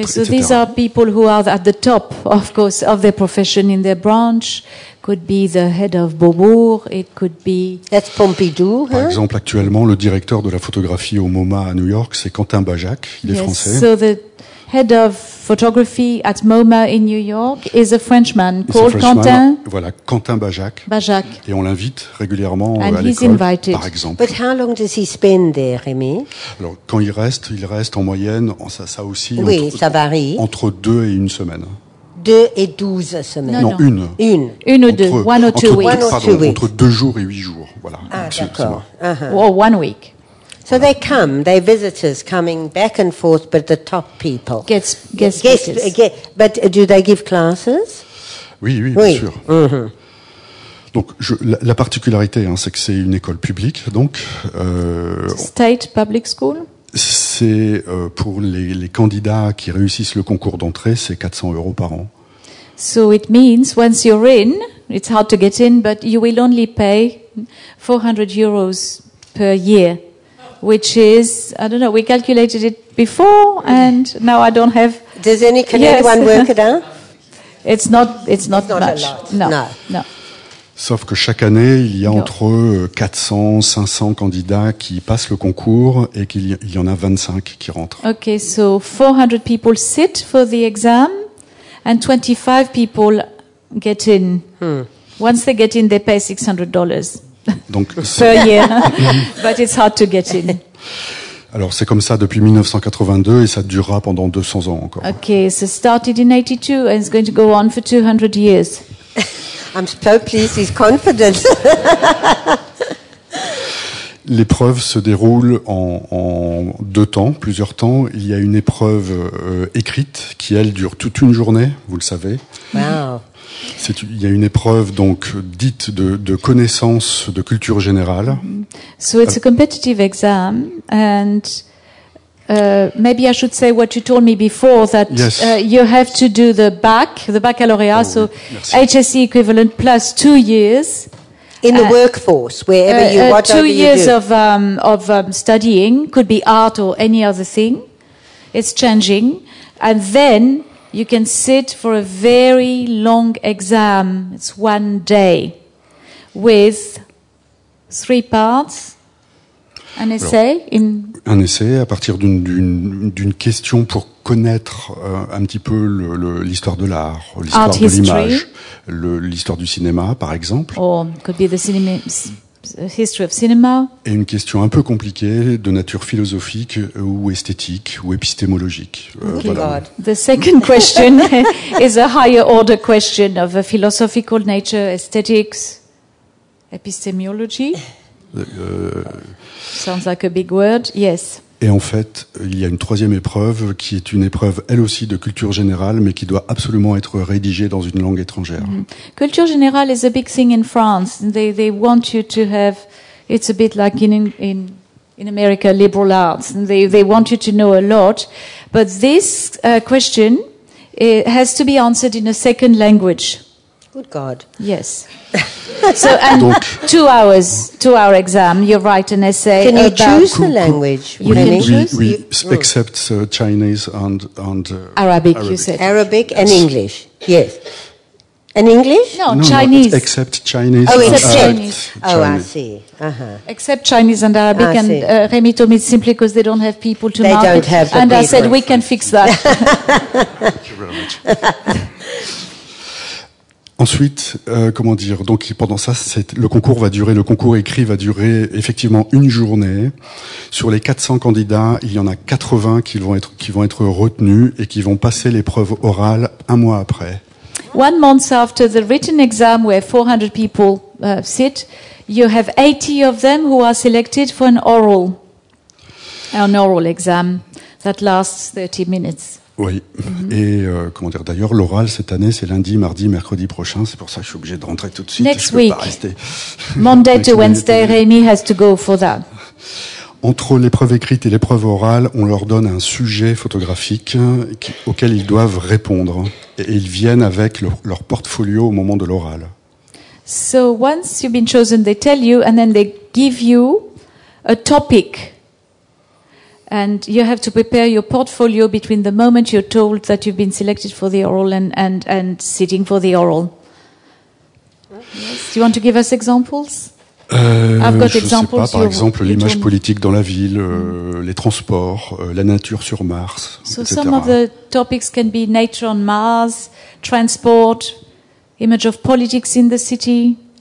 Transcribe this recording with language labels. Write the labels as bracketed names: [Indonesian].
[English] etc. So these are people who are at the top, of course, of their profession in their branch. Could be the head of Beaubourg, it could be... That's Pompidou. [French] Par exemple, actuellement, le directeur de la photographie au MoMA à New York, c'est Quentin Bajac, il est français. [English] So the head of photography at MoMA in New York is a Frenchman called Quentin. [French] Voilà, Quentin Bajac. Bajac. Et on l'invite régulièrement [English] And [French] à l'école, [English] invited. [French] Par exemple. [English] But how long does he spend there, Rémi? [French] Alors, quand il reste en moyenne, ça aussi, oui, ça varie. Entre 2 et 1 semaine. 2 et 12 semaines. Non, une. Une ou deux. Entre 2 jours et 8 jours. Voilà. Ah, d'accord. [English] Or 1 week. So they come, they visitors coming back and forth, but the top people. Guest speakers. But do they give classes? [French] Oui, bien sûr. Mm-hmm. Donc, la particularité, hein, c'est que c'est une école publique, donc. [English] State public school? [French] C'est pour les candidats qui réussissent le concours d'entrée, c'est 400 euros par an. [English] So it means once you're in, it's hard to get in, but you will only pay 400 euros per year. Which is, I don't know, we calculated it before, and now I don't have... Does any Canadian one work it out? It's not much. No. [French] Sauf que chaque année, il y a entre 400, 500 candidats qui passent le concours, et qu'il y en a 25 qui rentrent. [English] Okay, so 400 people sit for the exam, and 25 people get in. Hmm. Once they get in, they pay $600. [French] Donc, [English] per year, but it's hard to get in. Alors c'est comme ça depuis 1982 et ça durera pendant 200 ans encore. Okay, so started in 82 and it's going to go on for 200 years. I'm so pleased he's confident. [French] L'épreuve se déroule en deux temps, plusieurs temps. Il y a une épreuve écrite qui, elle, dure toute une journée, vous le savez. [English] Wow. [French] Il y a une épreuve donc dite de connaissance de culture générale. [English] So it's a competitive exam, and maybe I should say what you told me before that you have to do the baccalauréat, oh, so HSC equivalent plus 2 years, in the workforce, wherever you, whatever you do. 2 years of studying could be art or any other thing. It's changing. And then you can sit for a very long exam. It's 1 day with 3 parts. [French] Un essai. Un essai à partir d'une question pour connaître un petit peu l'histoire de l'art, l'histoire de l'image, l'histoire du cinéma, par exemple. [English] Or could be the cinema, history of cinema. [French] Et une question un peu compliquée de nature philosophique ou esthétique ou épistémologique. [English] Voilà. The second question is a higher order question of a philosophical nature, aesthetics, epistemology. Sounds like a big word, yes. [French] Et en fait, il y a une troisième épreuve qui est une épreuve, elle aussi, de culture générale, mais qui doit absolument être rédigée dans une langue étrangère. Mm-hmm. [English] Culture générale is a big thing in France. They want you to have. It's a bit like in America, liberal arts. They want you to know a lot, but this question has to be answered in a second language. Good God. Yes. So, and donc, 2 hours, 2 hour exam, you write an essay. Can you choose the language? You can choose. Except Chinese and Arabic, you said. Arabic and English. Yes. And English? No, Chinese. No, except Chinese. Oh, except Chinese. I see. Uh-huh. Except Chinese and Arabic. And Remy told me simply because they don't have people to market. They don't have and I said, we can fix that. Thank you very much. [French] Ensuite, comment dire, donc pendant ça, le concours écrit va durer effectivement une journée. Sur les 400 candidats, il y en a 80 qui vont être retenus et qui vont passer l'épreuve orale un mois après. [English] One month after the written exam where 400 people sit, you have 80 of them who are selected for an oral exam that lasts 30 minutes. [French] Oui, et comment dire, d'ailleurs, l'oral cette année, c'est lundi, mardi, mercredi prochain, c'est pour ça que je suis obligé de rentrer tout de suite, [English] next [French] je peux [English] week, [French] pas rester. [English] Monday to Wednesday, Rémi has to go for that. [French] Entre l'épreuve écrite et l'épreuve orale, on leur donne un sujet photographique auquel ils doivent répondre, et ils viennent avec leur portfolio au moment de l'oral. [English] So once you've been chosen, they tell you, and then they give you a topic. And you have to prepare your portfolio between the moment you're told that you've been selected for the oral and sitting for the oral. Yes. Do you want to give us examples? I've got examples. [French] Sais pas, par exemple, l'image politique dans la ville, les transports, la nature sur Mars, [English] so etc. Some of the topics can be nature on Mars, transport, image of politics in the city.